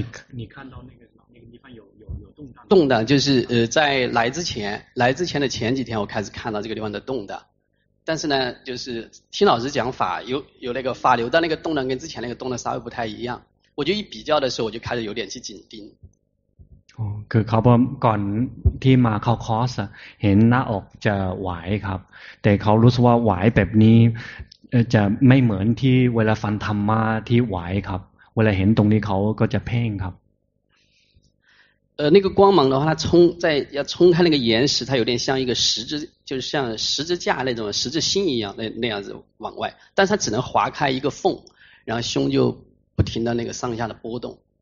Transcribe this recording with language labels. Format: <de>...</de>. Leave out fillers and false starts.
<zh>你看到那个什么那个地方有动荡动荡就是在来之前的前几天我开始看到这个地方的动荡但是呢就是听老师讲法有那个法流的那个动荡跟之前那个动荡稍微不太一样我就一比较的时候我就开始有点去紧盯</zh> <th>คือเขาก่อนที่มาเข้าคอร์สเห็นหน้าอกจะไหวครับแต่เขารู้สึกว่าไหวแบบนี้จะไม่เหมือนที่เวลาฟังธรรมะที่ไหวครับเวลาเห็นตรงนี้เขาก็จะเพ่งครับ</th> <zh>那个光芒的话它冲在要冲开那个岩石它有点像一个十字就是像十字架那种十字星一样那样子往外但是它只能划开一个缝然后胸就不停的那个上下的波动</zh>